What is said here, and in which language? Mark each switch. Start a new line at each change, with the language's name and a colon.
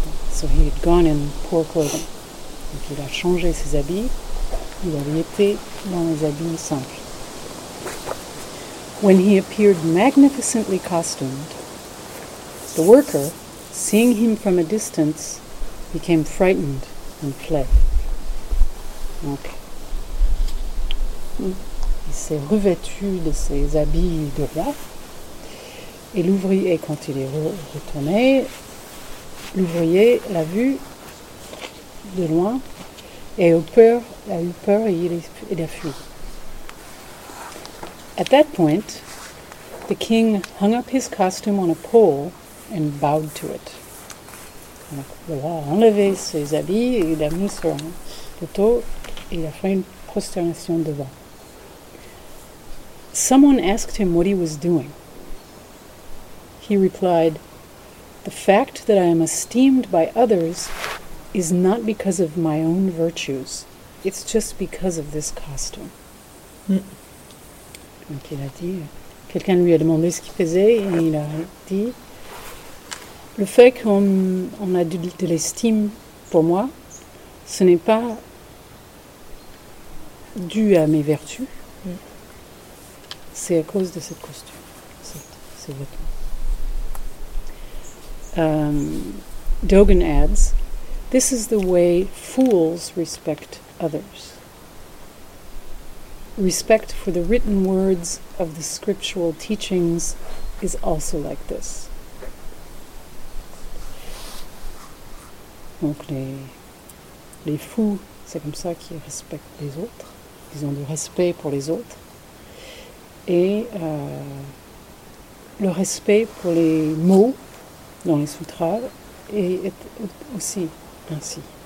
English: So he had gone in poor clothing.
French: Donc il a changé ses habits. Il avait été dans les habits simples.
English: When he appeared magnificently costumed, the worker, seeing him from a distance, became frightened and fled.
French: Donc, il s'est revêtu de ses habits de roi. Et l'ouvrier, quand il est retourné, l'ouvrier l'a vu de loin et a eu peur et il a fui.
English: At that point, the king hung up his costume on a pole and bowed to it.
French: Donc, le roi a enlevé ses habits et il a mis sur un poteau et il a fait une prosternation devant.
English: Someone asked him what he was doing. He replied, "The fact that I am esteemed by others is not because of my own virtues. It's just because of this costume." Mm.
French: Donc il a dit, quelqu'un lui a demandé ce qu'il faisait et il a dit, le fait qu'on a de l'estime pour moi, ce n'est pas dû à mes vertus, c'est à cause de cette costume, ces vêtements.
English: Dogen adds, "This is the way fools respect others. Respect for the written words of the scriptural teachings is also like this."
French: Donc les fous, c'est comme ça qu'ils respectent les autres. Ils ont du respect pour les autres. Et le respect pour les mots dans les sutras est aussi ainsi.